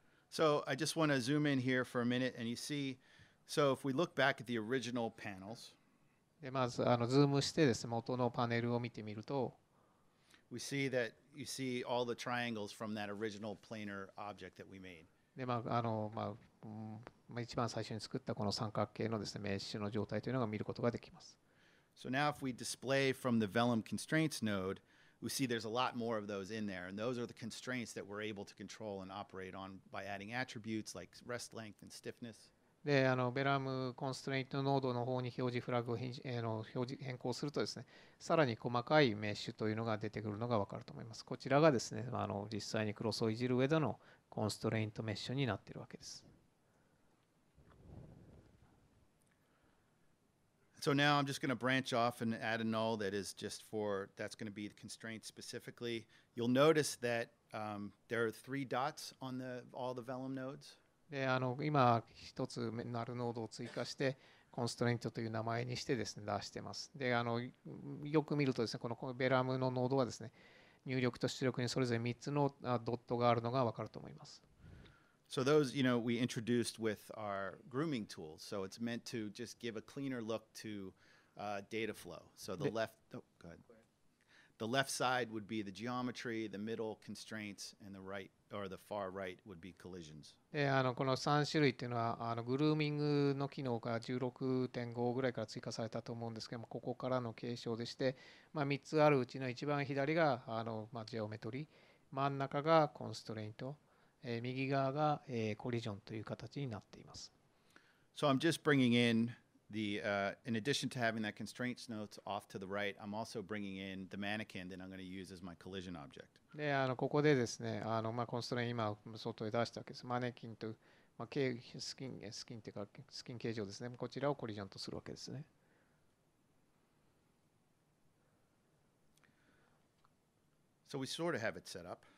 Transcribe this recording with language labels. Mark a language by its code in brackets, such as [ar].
[en] So I just want to zoom in here for a minute, and you see, so if we look back at the original panels, [ja] でまずあのズームしてですね、元のパネルを見てみると、 [en] we see that you see all the triangles from that original planar object that we made. [ja] でまああのまあ一番最初に作ったこの三角形のですね、メッシュの状態というのが見ることができます。 [en] So now if we display from the Vellum constraints node,We see there's a lot more of those in there, and those are the constraints that we're able to control and operate on by adding attributes like rest length and stiffness. [ja] で、あの、ベラムコンストレイントノードの方に表示フラグを変更するとですね、さらに細かいメッシュというのが出てくるのが分かると思います。こちらがですね、あの、実際にクロスをいじる上でのコンストレイントメッシュになっているわけです。 [en] So now I'm just going to branch off and add a null that is just for, that's going to be the constraint specifically. You'll notice that there are three dots on the, all the Vellum nodes. [ja] で、あの、今一つナルノードを追加して、コンストレイントという名前にしてですね、出してます。で、あの、よく見るとですね、このベラムのノードはですね、入力と出力にそれぞれ3つのドットがあるのが分かると思います。 [en] So those, you know, we introduced with our grooming tools. So it's meant to just give a cleaner look to data flow. So the left, oh, go ahead. The left side would be the geometry, the middle constraints, and the right or the far right would be collisions. [ja] であのこの3種類っていうのはあのグルーミングの機能が 16.5 ぐらいから追加されたと思うんですけども、ここからの継承でして、まあ3つあるうちの一番左があのまあジェオメトリ、真ん中がコンストレイント。右側がコリジョンという形になっています。 [en] So I'm just bringing in the, in addition to having that constraints notes off to the right, I'm also bringing in the mannequin that I'm going to use as my collision object. [ja] で、あの、ここでですね、あの、まあ、コンストレイント今、外へ出したわけです。マネキンと、まあ、スキンというか、スキン形状ですね。こちらをコリジョンとするわけですね。 [en] So we sort of have it set up.